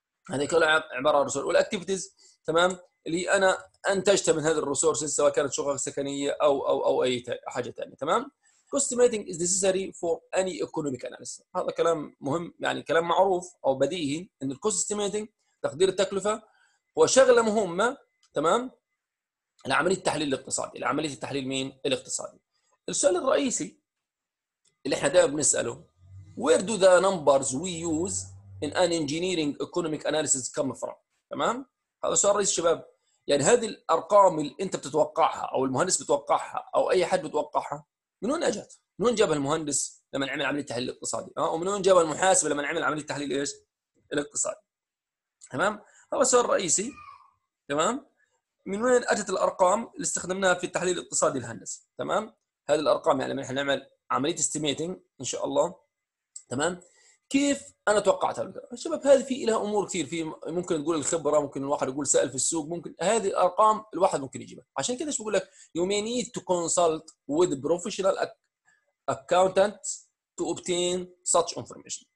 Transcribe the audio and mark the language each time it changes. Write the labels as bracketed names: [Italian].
[Arabic] هذه كلها عباره عن رسول. والاكتيفيتيز تمام اللي انا انتجتها من هذه الريسورسز سواء كانت شقق سكنيه او او او اي حاجه ثانيه. [English] تمام Customizing is necessary for any economic analysis. [Arabic] هذا كلام مهم يعني كلام معروف او بديهي ان الكوست استيميتنج تقدير التكلفه هو شغله مهمه تمام لعمليه التحليل الاقتصادي. لعمليه التحليل مين؟ الاقتصادي. السؤال الرئيسي اللي احنا دائما بنساله [English] Where do the numbers we use in an engineering economic analysis come from? [Arabic] تمام؟ هذا سؤال رئيسي شباب. يعني هذه الارقام اللي انت بتتوقعها او المهندس بتوقعها او اي حد بتوقعها من وين اجت؟ من وين جابها المهندس لما عمل عمليه التحليل الاقتصادي؟ ومن وين جابها المحاسب لما عمل عمليه التحليل ايش؟ الاقتصادي. تمام؟ هذا السؤال الرئيسي. تمام؟ من وين اتت الارقام اللي استخدمناها في التحليل الاقتصادي الهندسي؟ تمام؟ هذه الارقام يعني لما احنا نعمل عمليه استيميتنج ان شاء الله. تمام؟ كيف انا توقعتها؟ شباب هذه في لها امور كثير، في ممكن تقول الخبره، ممكن الواحد يقول سال في السوق، ممكن هذه الارقام الواحد ممكن يجيبها. عشان كذا ايش بقول لك؟ [English] You may need to consult with professional accountants to obtain such information.